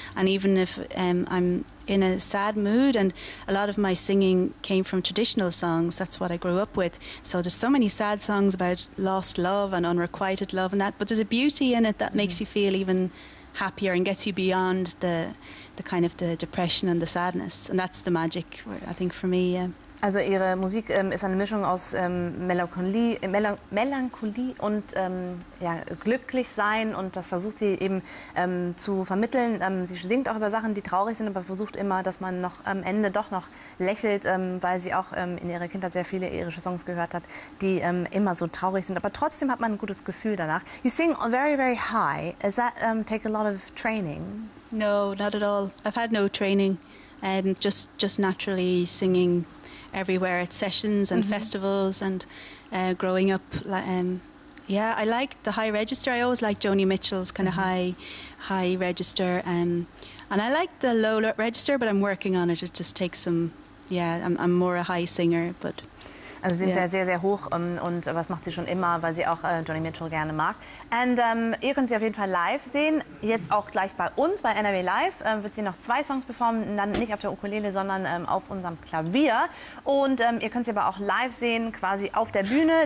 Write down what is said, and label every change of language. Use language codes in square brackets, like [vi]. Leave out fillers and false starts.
[en] And even if I'm in a sad mood, and a lot of my singing came from traditional songs, that's what I grew up with. So there's so many sad songs about lost love and unrequited love and that, but there's a beauty in it that mm-hmm. makes you feel even happier and gets you beyond the kind of the depression and the sadness. And that's the magic, I think, for me. [de] Also Ihre Musik ist eine Mischung aus Melancholie und glücklich sein, und das versucht sie eben zu vermitteln. Sie singt auch über Sachen, die traurig sind, aber versucht immer, dass man noch am Ende doch noch lächelt, weil sie auch in ihrer Kindheit sehr viele irische Songs gehört hat, die immer so traurig sind. Aber trotzdem hat man ein gutes Gefühl danach. [en] You sing very, very high. Does that take a lot of training? No, not at all. I've had no training. Just naturally singing everywhere at sessions and mm-hmm. festivals and growing up. I like the high register. I always like Joni Mitchell's kind of mm-hmm. high register. And I like the low register, but I'm working on it. It just takes some, I'm more a high singer, but... [de] Also sie sind sehr, sehr, sehr hoch, und was macht sie schon immer, weil sie auch Joni Mitchell gerne mag. Und ihr könnt sie auf jeden Fall live sehen, jetzt auch gleich bei uns, bei NRW Live. Wird sie noch zwei Songs performen, dann nicht auf der Ukulele, sondern auf unserem Klavier. Und ihr könnt sie aber auch live sehen, quasi auf der Bühne.